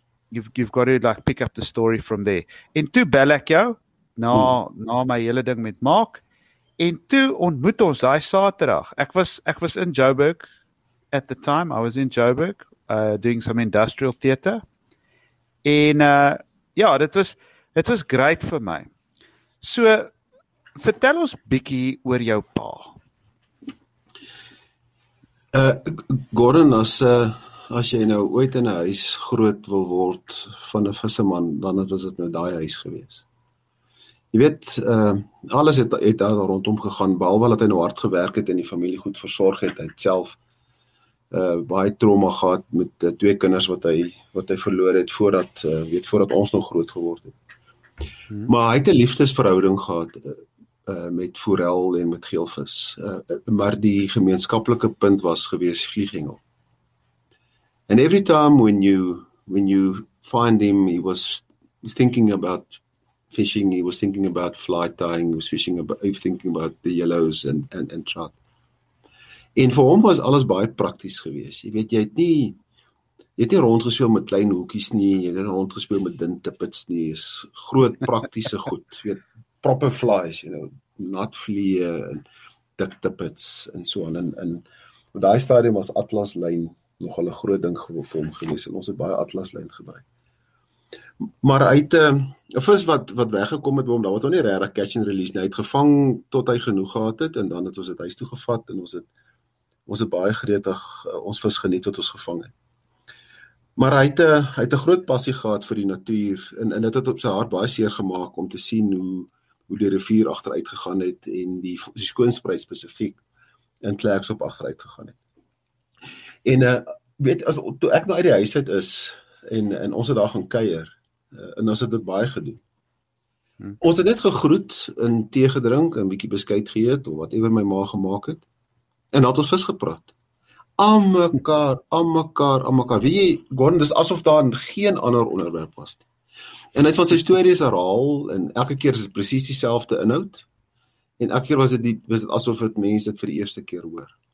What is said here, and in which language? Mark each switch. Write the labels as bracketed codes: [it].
[en] You've got to pick up the story from there. [af] En toe bel ek jou, na my hele ding met Mark, en toe ontmoet ons daai Saterdag. Ek was in Joburg [en] at the time. I was in Joburg doing some industrial theatre. [af] En ja, dit was great vir my. So, vertel ons bietjie oor jou pa. Gordon, as jy nou ooit in 'n huis groot wil word van 'n visserman, dan was dit nou daai huis gewees. Jy weet, alles het daar rondom gegaan, behalwe dat hy nou hard gewerk het en die familie goed versorg het. Hy het self baie trauma gehad met twee kinders wat hy verloor het voordat ons nog groot geword het. Maar hy het 'n liefdesverhouding gehad met forel en met geelvis. Maar die gemeenskaplike punt was gewees vlieghengel. [en] And every time when you find him, he was thinking about fishing, he was thinking about fly tying, he was thinking about the yellows and trout. [af] En vir hom was alles baie prakties gewees. Jy weet, jy het nie rondgespeel met klein hoekies nie, jy het nie rondgespeel met dun tippets nie, is groot praktiese goed, jy weet, [en] proper flies, you know, [af] nat vliee en dik tippets en so aan. En op daai stadium was Atlas lyn nogal 'n groot ding vir hom gewees en ons het baie Atlas lyn gebruik. Maar hy het 'n vis wat weggekom het by hom, daar was nog nie regtig catch and release nie, hy het gevang tot hy genoeg gehad het en dan het ons dit huis toe gevat en ons het baie gretig ons vis geniet wat ons gevang het. Maar hy het 'n groot passie gehad vir die natuur en dit het op sy hart baie seer gemaak om te sien hoe die rivier agteruit gegaan het en die skoonspruit spesifiek in Klerksdorp agteruit gegaan het. En weet as toe ek nou uit die huis uit is en ons het daar gaan kuier en ons het dit baie gedoen. Ons het net gegroet en tee gedrink en 'n bietjie beskuit geëet of whatever my ma gemaak het en dan het ons vis gepraat. Almekaar. Wie, Gordon, dis asof daar geen ander onderwerp was. En hy het van sy stories herhaal, en elke keer is dit presies dieselfde inhoud, en elke keer was dit asof het mense dit vir die eerste keer hoor.